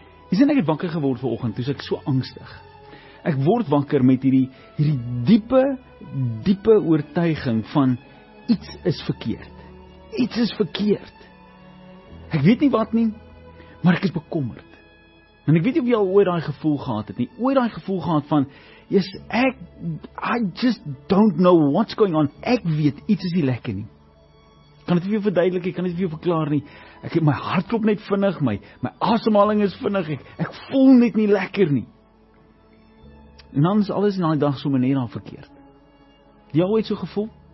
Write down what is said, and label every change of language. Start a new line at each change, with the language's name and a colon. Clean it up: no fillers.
Afrikaans: Jy sien, ek het wakker geword vanoggend, toe ek so angstig. Ek word wakker met hierdie diepe oortuiging van iets is verkeerd. Iets is verkeerd. Ek weet nie wat nie, maar ek is bekommerd. En ek weet nie of jy al ooit daai gevoel gehad het nie.
English: Ooit daai gevoel gehad van, yes, I just don't know what's going on.
Afrikaans: Ek weet, iets is nie lekker nie. Ek kan dit vir jou verduidelik, ek kan dit vir jou verklaar nie. Ek het my hart klop net vinnig, my asemhaling is vinnig, ek voel net nie lekker nie. En dan is alles na die dag sommer net al verkeerd. Jy al ooit so gevoel?